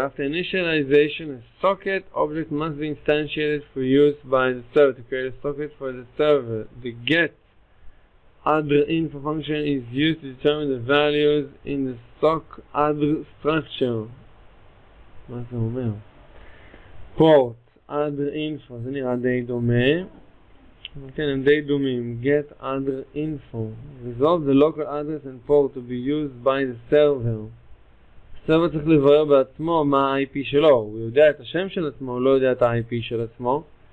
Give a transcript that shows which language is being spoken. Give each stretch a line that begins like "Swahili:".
English: After initialization, a socket object must be instantiated for use by the server. To create a socket for the server, the get adr info function is used to determine the values in the sock adr structure.
Hebrew: מה זה אומר? Port adr info, זה נראה די דומה. כן, הם די דומים. Get other info.
English: Resolve the local address and port to be used by the server.
Hebrew: הסרבר צריך לברר בעצמו מה ה-IP שלו. הוא יודע את השם של עצמו, הוא לא יודע את ה-IP של עצמו.